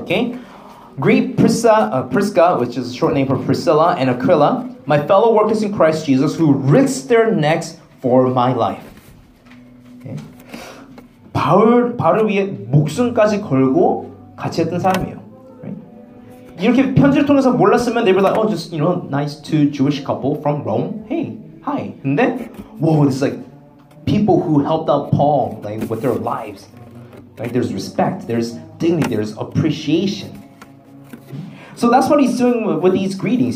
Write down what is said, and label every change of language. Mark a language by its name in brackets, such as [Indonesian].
[English] Okay, greet Prisca, which is a short name for Priscilla and Aquila, my fellow workers in Christ Jesus, who risked their necks for my life. [Korean] Okay, 바울을 위해 목숨까지 걸고 같이 했던 사람이에요. 이렇게 편지를 통해서 몰랐으면 [English] they'd be like, oh, just, you know, nice two Jewish couple from Rome. Hey, Hi. And then, whoa, it's like people who helped out Paul, like, with their lives. Right? There's respect, there's dignity, there's appreciation. So that's what he's doing with these greetings.